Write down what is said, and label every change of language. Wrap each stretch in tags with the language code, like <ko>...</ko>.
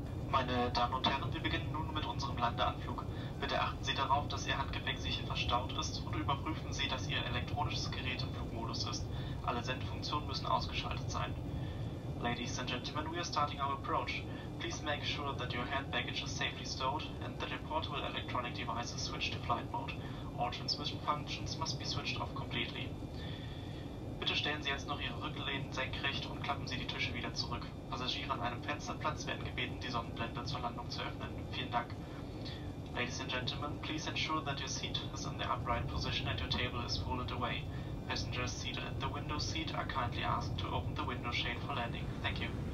<de>Meine Damen und Herren, wir beginnen nun mit unserem Landeanflug. Bitte achten Sie darauf, dass Ihr Handgepäck sicher verstaut ist und überprüfen Sie, dass Ihr elektronisches Gerät im Flugmodus ist. Alle Sendfunktionen müssen ausgeschaltet sein.</de> <en>Ladies and gentlemen, we are starting our approach. Please make sure that your hand baggage is safely stowed and that your portable electronic device is switched to flight mode. All transmission functions must be switched off completely.</en> <de>Bitte stellen Sie jetzt noch Ihre Rückenlehnen senkrecht und klappen Sie die Tische wieder zurück. Passagiere an einem Fensterplatz werden gebeten, die Sonnenblende zur Landung zu öffnen. Vielen Dank.</de> <en>Ladies and gentlemen, please ensure that your seat is in the upright position and your table is folded away. Passengers seated at the window seat are kindly asked to open the window shade for landing. Thank you.</en>